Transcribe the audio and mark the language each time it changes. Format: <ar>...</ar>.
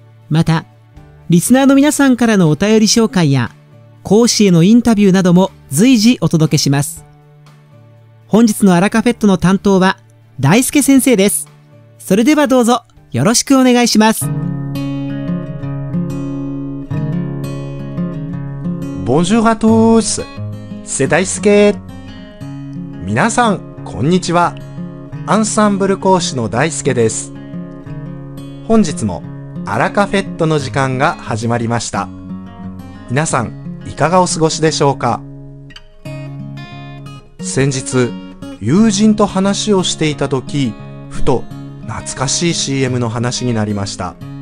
<ja>またリスナーの皆さんからのお便り紹介や講師へのインタビューなども随時お届けします。本日のアラカフェットの担当は大輔先生です。それではどうぞよろしくお願いします。</ja> <fr>Bonjour à tous, c'est 大輔。</fr> <ja>皆さんこんにちは。アンサンブル講師の大輔です。本日もアラカフェットの時間が始まりました。皆さんいかがお過ごしでしょうか。先日友人と話をしていた時、ふと懐かしい CM の話になりました。</ja>